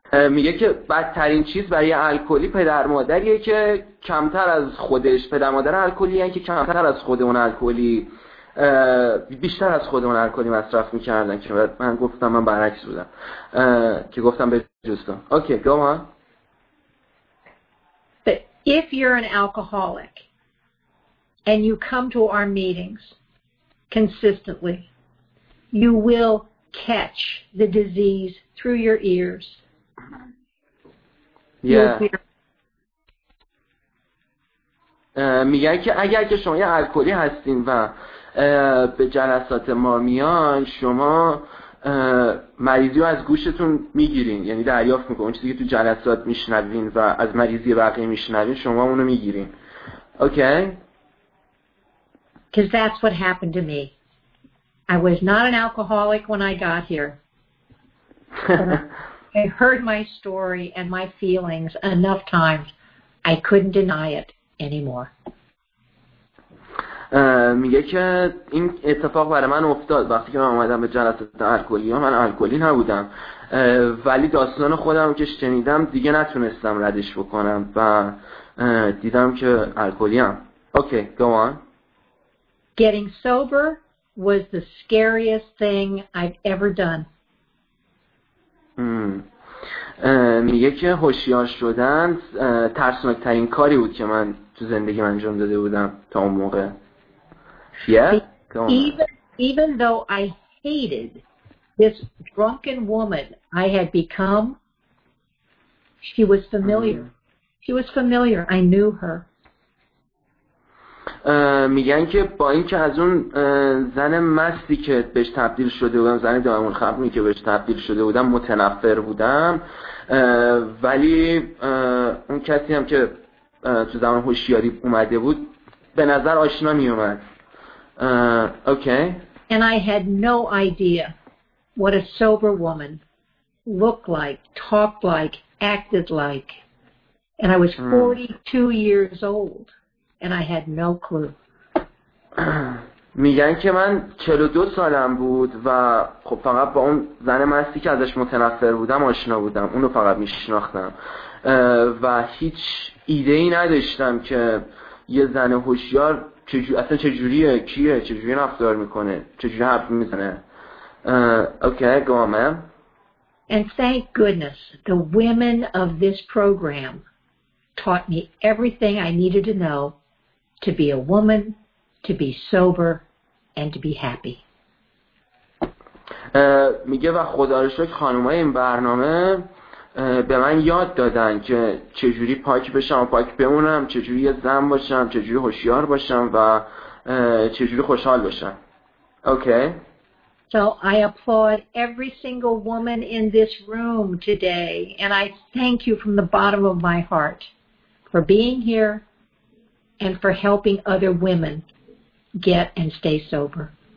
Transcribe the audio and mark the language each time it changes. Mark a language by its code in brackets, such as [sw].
[fa] میگه که بدترین چیز برای الکلی پدر مادریه که کمتر از خودش، پدر مادر الکلی هن که کمتر از خودمون الکلی، بیشتر از خودمون الکلی مصرف میکردن. که من گفتم من برعکس بودم، که گفتم به جستم. [en] Okay, go on. But if you're an alcoholic and you come to our meetings consistently, you will catch the disease through your ears. Yeah. [fa] میگه که اگر که شما یه الکلی هستین و به جلسات ما میان، شما مریضی رو از گوشتون میگیرین، یعنی دریافت میکنین، اون چیزی که تو جلسات میشنوین و از مریضی بقیه میشنوین شما اونو میگیرین. [en] Okay? Because that's what happened to me. I was not an alcoholic when I got here. I heard my story and my feelings enough times I couldn't deny it anymore. [fa] میگه که این اتفاق برای من افتاد وقتی که من اومدم به جلسات الکلی، من الکلی نبودم ولی داستان خودم که شنیدم دیگه نتونستم ردش بکنم و دیدم که الکلیم. [en] Okay, go on. Getting sober was the scariest thing I've ever done. [fa] میگه که هوشیار شدن ترسناک‌ترین کاری بود که من تو زندگی من انجام داده بودم تا اون موقع. [en] Yeah. Even though I hated this drunken woman I had become, she was familiar. She was familiar. I knew her. [fa] میگن که با اینکه از اون زن مستی که بهش تبدیل شده بودم، زن دائم الخمری که بهش تبدیل شده بودم، متنفر بودم، ولی اون کسی هم که تو زمان هوشیاری اومده بود به نظر آشنا می اومد. [en] Okay. And I had no idea what a sober woman looked like, talked like, acted like. And I was 42 years old, and I had no clue. [fa] میگن که من 42 سالم بود و خب فقط با اون زن مستی که ازش متنفر بودم آشنا بودم، اونو فقط میشناختم و هیچ ایده ای نداشتم که یه زن هوشیار اصلا چجوریه، کیه، چجوری رفتار میکنه، چجوری حرف میزنه. [en] Okay go on hmm. And thank goodness the women of this program taught me everything I needed to know to be a woman, to be sober, and to be happy. [fa] میگه و خدا رو شکر خانومای این برنامه به من یاد دادن که چجوری پاک بشم و پاک بمونم، چجوری یه زن باشم، چجوری هوشیار باشم و چجوری خوشحال باشم. [en] Okay. So I applaud every single woman in this room today, and I thank you from the bottom of my heart for being here and for helping other women get and stay sober.